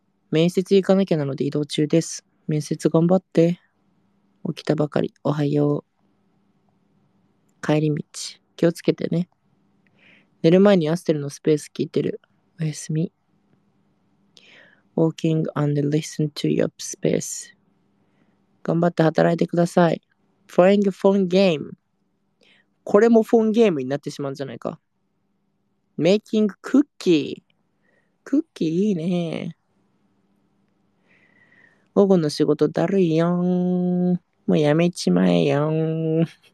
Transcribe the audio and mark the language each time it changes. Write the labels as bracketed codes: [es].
[ja] 面接行かなきゃなので移動中です。面接頑張って。起きたばかり。おはよう。帰り道気をつけてね。寝る前にアステルのスペース聞いてる。おやすみ。 [en] Walking and listen to your space. [ja] 頑張って働いてください。 [en] Playing phone game. [ja] これもフォンゲームになってしまうんじゃないか。 [en] Making cookie. [ja] クッキーいいね。午後の仕事だるいよん。もうやめちまえよん。